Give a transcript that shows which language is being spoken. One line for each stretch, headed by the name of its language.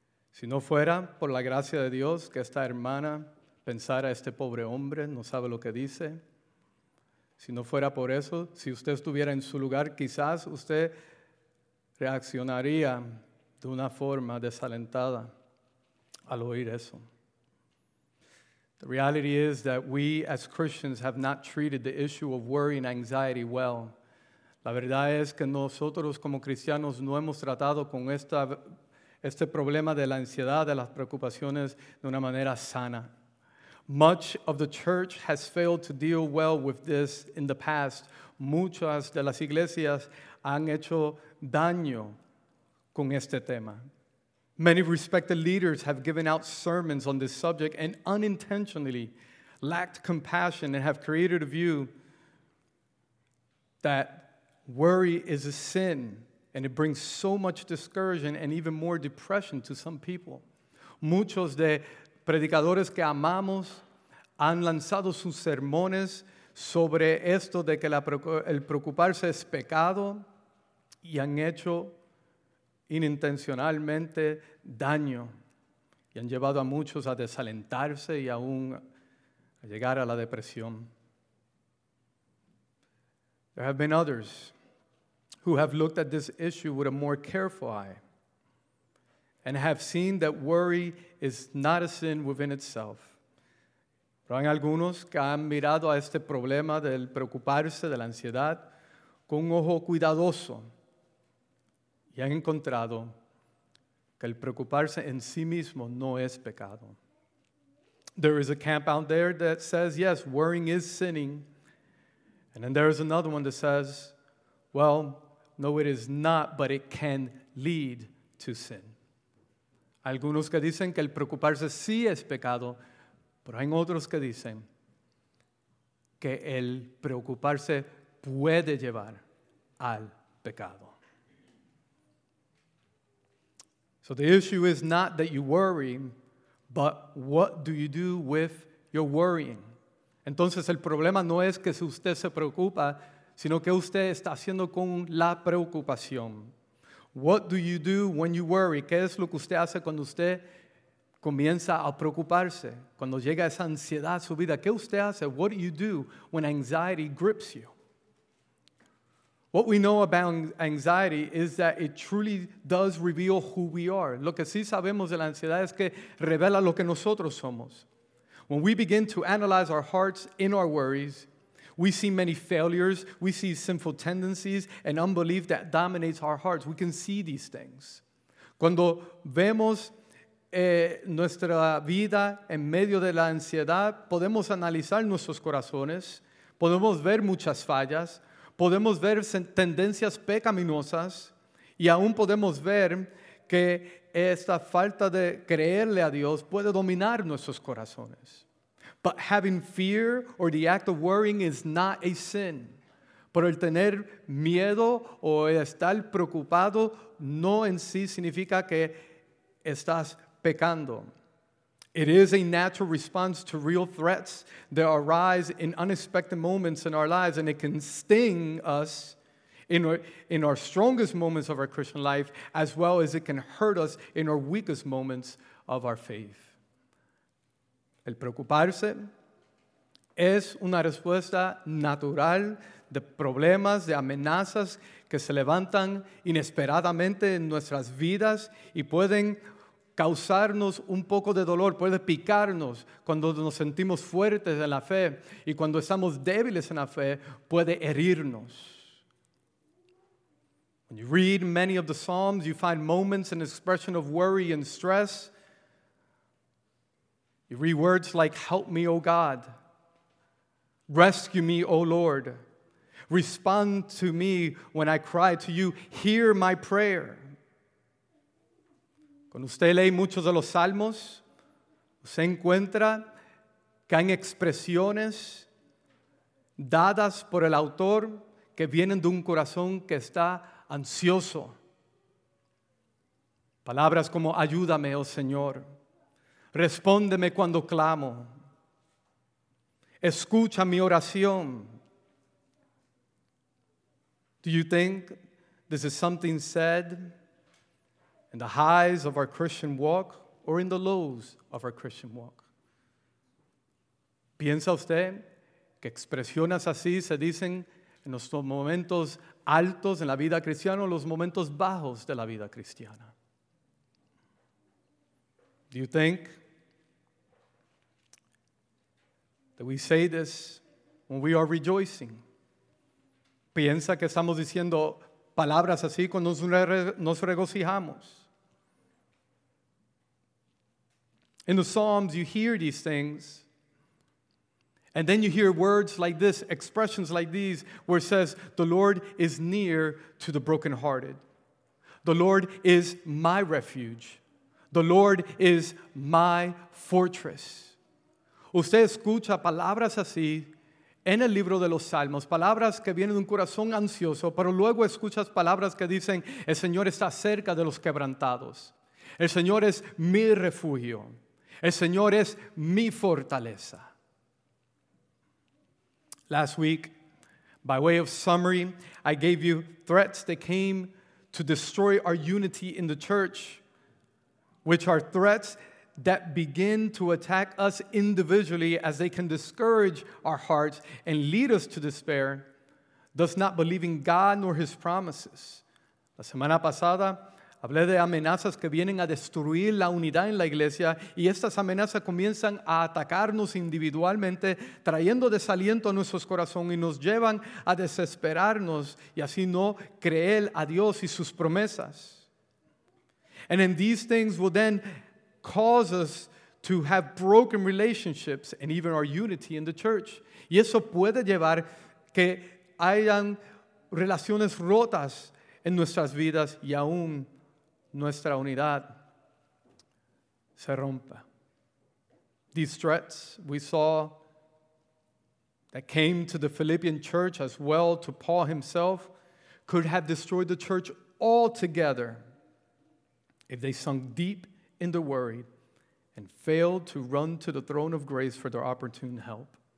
Spanish: Si no fuera por la gracia de Dios que esta hermana pensara este pobre hombre no sabe lo que dice, si no fuera por eso, si usted estuviera en su lugar, quizás usted reaccionaría de una forma desalentada al oír eso.
English: The reality is that we as Christians have not treated the issue of worry and anxiety well.
Spanish: La verdad es que nosotros como cristianos no hemos tratado con este problema de la ansiedad, de las preocupaciones, de una manera sana.
English: Much of the church has failed to deal well with this in the past.
Spanish: Muchas de las iglesias han hecho daño con este tema.
English: Many respected leaders have given out sermons on this subject and unintentionally lacked compassion and have created a view that worry is a sin, and it brings so much discouragement and even more depression to some people.
Spanish: Muchos de predicadores que amamos han lanzado sus sermones sobre esto de que el preocuparse es pecado y han hecho inintencionalmente daño y han llevado a muchos a desalentarse y aún a llegar a la depresión.
English: There have been others who have looked at this issue with a more careful eye and have seen that worry is not a sin within itself.
Spanish: Pero hay algunos que han mirado a este problema del preocuparse, de la ansiedad, con un ojo cuidadoso y han encontrado que el preocuparse en sí mismo no es pecado.
English: There is a camp out there that says, yes, worrying is sinning. And then there is another one that says, well, no, it is not, but it can lead to sin.
Spanish: Algunos que dicen que el preocuparse sí es pecado, pero hay otros que dicen que el preocuparse puede llevar al pecado.
English: So the issue is not that you worry, but what do you do with your worrying?
Spanish: Entonces el problema no es que usted se preocupa, sino que usted está haciendo con la preocupación.
English: What do you do when you worry?
Spanish: ¿Qué es lo que usted hace cuando usted comienza a preocuparse? Cuando llega esa ansiedad a su vida, ¿qué usted hace?
English: What do you do when anxiety grips you? What we know about anxiety is that it truly does reveal who we are.
Spanish: Lo que sí sabemos de la ansiedad es que revela lo que nosotros somos.
English: When we begin to analyze our hearts in our worries, we see many failures, we see sinful tendencies and unbelief that dominates our hearts. We can see these things.
Spanish: Cuando vemos nuestra vida en medio de la ansiedad, podemos analizar nuestros corazones, podemos ver muchas fallas, podemos ver tendencias pecaminosas y aún podemos ver que esta falta de creerle a Dios puede dominar nuestros corazones.
English: But having fear or the act of worrying is not a sin.
Spanish: Pero el tener miedo o estar preocupado no en sí significa que estás pecando.
English: It is a natural response to real threats that arise in unexpected moments in our lives, and it can sting us in our strongest moments of our Christian life, as well as it can hurt us in our weakest moments of our faith.
Spanish: El preocuparse es una respuesta natural de problemas, de amenazas que se levantan inesperadamente en nuestras vidas y pueden causarnos un poco de dolor, puede picarnos cuando nos sentimos fuertes en la fe y cuando estamos débiles en la fe, puede herirnos.
English: When you read many of the Psalms, you find moments and expression of worry and stress. You read words like, help me, O God. Rescue me, O Lord. Respond to me when I cry to you. Hear my prayer.
Spanish: Cuando usted lee muchos de los salmos, usted encuentra que hay expresiones dadas por el autor que vienen de un corazón que está ansioso. Palabras como, ayúdame, oh Señor. Respóndeme cuando clamo. Escucha mi oración.
English: Do you think this is something said in the highs of our Christian walk or in the lows of our Christian walk?
Spanish: ¿Piensa usted que expresiones así se dicen en los momentos altos en la vida cristiana o los momentos bajos de la vida cristiana?
English: Do you think that we say this when we are rejoicing?
Spanish: ¿Piensa que estamos diciendo palabras así cuando nos regocijamos?
English: In the Psalms, you hear these things. And then you hear words like this, expressions like these, where it says, the Lord is near to the brokenhearted. The Lord is my refuge. The Lord is my fortress.
Spanish: Usted escucha palabras así en el libro de los Salmos, palabras que vienen de un corazón ansioso, pero luego escuchas palabras que dicen, el Señor está cerca de los quebrantados. El Señor es mi refugio. El Señor es mi fortaleza.
English: Last week, by way of summary, I gave you threats that came to destroy our unity in the church, which are threats that begin to attack us individually as they can discourage our hearts and lead us to despair, thus not believing God nor his promises.
Spanish: La semana pasada Hablé de amenazas que vienen a destruir la unidad en la iglesia y estas amenazas comienzan a atacarnos individualmente, trayendo desaliento a nuestros corazones y nos llevan a desesperarnos y así no creer a Dios y sus promesas.
English: And then these things will then cause us to have broken relationships and even our unity in the church.
Spanish: Y eso puede llevar que hayan relaciones rotas en nuestras vidas y aún nuestra unidad se rompa.
English: These threats we saw that came to the Philippian church as well to Paul himself could have destroyed the church altogether if they sunk deep in the worry and failed to run to the throne of grace for their opportune help.